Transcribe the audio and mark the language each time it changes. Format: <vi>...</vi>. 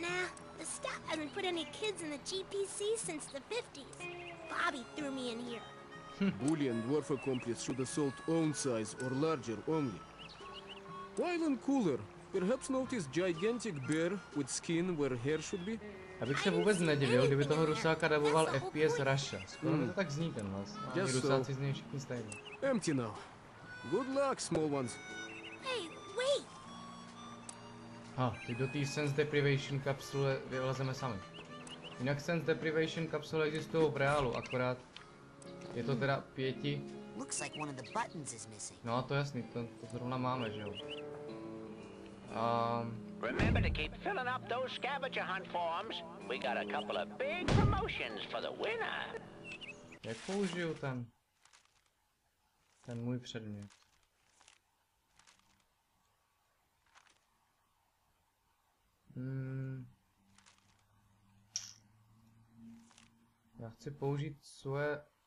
<en>Nah, the staff hasn't put any kids in the GPC since the 50s. Bobby threw me in here. Bully and dwarf accomplice should assault own size or larger only. While in cooler, perhaps notice gigantic bear with skin where hair should be.</en> <cs>Abych se vůbec nedivil, kdyby toho rusáka daboval FPS Russia. Skoro mi to tak zní ten hlas. Yes, rusáci z něj všichni stejně.</cs> <en>Empty now. Good luck, small ones. Hey, wait!</en> <cs>Ha, teď do té sense deprivation kapsule vylezeme sami. Jinak sense deprivation kapsule existují v reálu, akorát je to teda pěti.</cs> <en>Looks like one of the buttons is missing.</en> <cs>No a to jasný, to zrovna máme, že jo.</cs> <en>Remember to keep filling up those scavenger hunt forms. We got a couple of big promotions for the winner.</en> <cs>Jak použiju ten můj předmět? Já chci použít svoje...</cs>